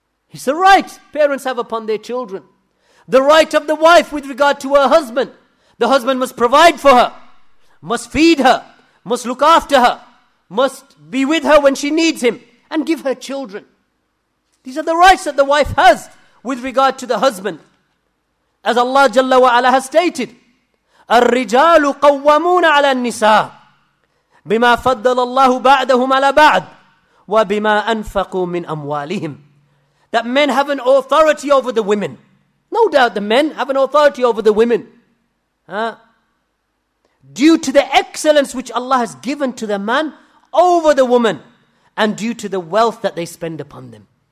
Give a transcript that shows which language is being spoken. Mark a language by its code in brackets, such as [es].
[en] It's a right parents have upon their children. The right of the wife with regard to her husband. The husband must provide for her, must feed her, must look after her, must be with her when she needs him, and give her children. These are the rights that the wife has with regard to the husband. As Allah Jalla wa Ala has stated, [ar] الرِّجَالُ قَوَّمُونَ عَلَى النِّسَاءِ بِمَا فَضَّلَ اللَّهُ بَعْدَهُمْ عَلَى بَعْدٍ وَبِمَا أَنفَقُوا مِنْ أَمْوَالِهِمْ. [en] That men have an authority over the women. No doubt the men have an authority over the women. Due to the excellence which Allah has given to the man over the woman, and due to the wealth that they spend upon them.